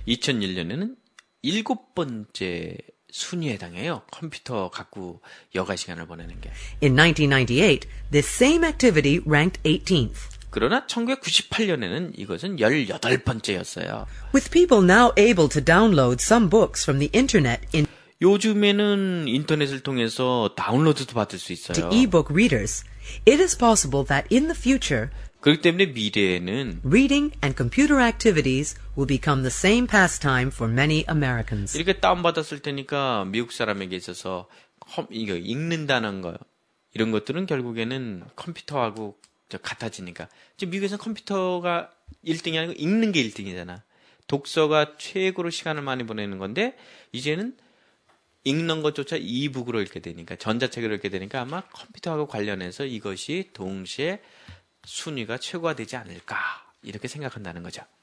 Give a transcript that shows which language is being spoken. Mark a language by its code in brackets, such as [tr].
[ko] 2001년에는 일곱 번째 순위에 해당해요. 컴퓨터 갖고 여가 시간을 보내는 게. [en] In 1998, this same activity ranked 18th. [ko] 그러나 1998년에는 이것은 18번째였어요. [en] With people now able to download some books from the internet in [ko] 요즘에는 인터넷을 통해서 다운로드도 받을 수 있어요. [en] To e-book readers, it is possible that in the future [ko] 그렇기 때문에 미래에는 [en] reading and computer activities will become the same pastime for many Americans. [ko] 이렇게 다운받았을 테니까 미국 사람에게 있어서 이거 읽는다는 거 이런 것들은 결국에는 컴퓨터하고 같아지니까 지금 미국에서는 컴퓨터가 1등이 아니고 읽는 게 1등이잖아. 독서가 최고로 시간을 많이 보내는 건데 이제는 읽는 것조차 이북으로 읽게 되니까 전자책으로 읽게 되니까 아마 컴퓨터하고 관련해서 이것이 동시에 순위가 최고가 되지 않을까 이렇게 생각한다는 거죠.